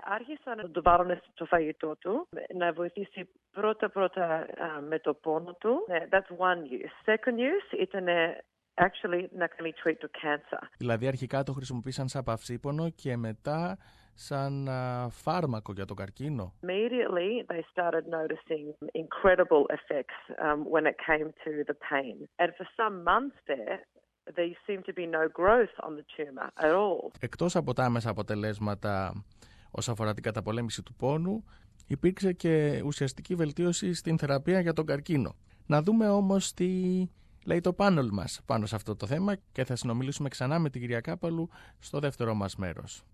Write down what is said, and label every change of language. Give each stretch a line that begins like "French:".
Greek: Άρχισαν να το βάλουν στο φαγητό του, να βοηθήσει πρώτα με το πόνο του.
English: That's one use. Second use
Greek: ήταν
English: actually
Greek: να κάνει
English: treat to cancer.
Greek: Δηλαδή αρχικά το χρησιμοποίησαν σαν παυσίπονο και μετά σαν φάρμακο για τον καρκίνο.
English: Immediately they started noticing incredible effects when it came to the pain. And for some months there seemed to be no growth on the tumor at all.
Greek: Εκτός από τα άμεσα αποτελέσματα όσον αφορά την καταπολέμηση του πόνου, υπήρξε και ουσιαστική βελτίωση στην θεραπεία για τον καρκίνο. Να δούμε όμως τι λέει το πάνελ μας πάνω σε αυτό το θέμα και θα συνομιλήσουμε ξανά με την κυρία Κάπαλου στο δεύτερο μας μέρος.